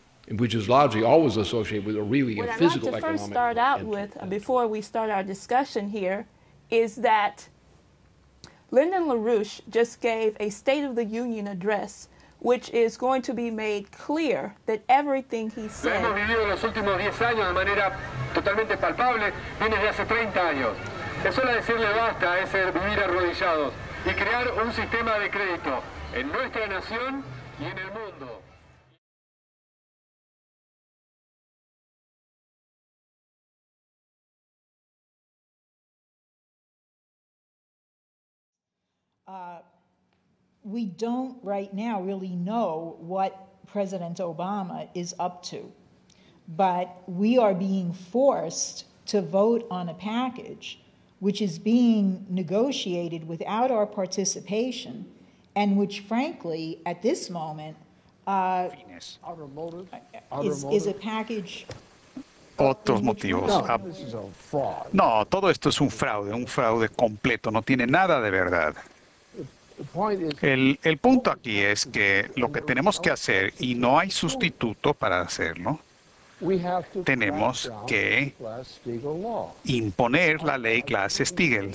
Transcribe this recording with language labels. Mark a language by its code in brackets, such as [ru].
[en] which is largely always associated with a really what a physical economic. What I'd like to first start out with, before we start our discussion here, is that Lyndon LaRouche just gave a State of the Union address, which is going to be made clear that everything he said. [es] Hemos vivido los últimos 10 años de manera totalmente palpable, viene desde hace 30 años. Es hora decirle basta a ese vivir arrodillados y crear un sistema de crédito en nuestra nación y en el mundo. [en] We don't right now really know what President Obama is up to, but we are being forced to vote on a package which is being negotiated without our participation and which, frankly, at this moment, is a package. [es] Otros motivos. No, todo esto es un fraude completo, no tiene nada de verdad. El punto aquí es que lo que tenemos que hacer, y no hay sustituto para hacerlo, tenemos que imponer la ley Glass-Steagall.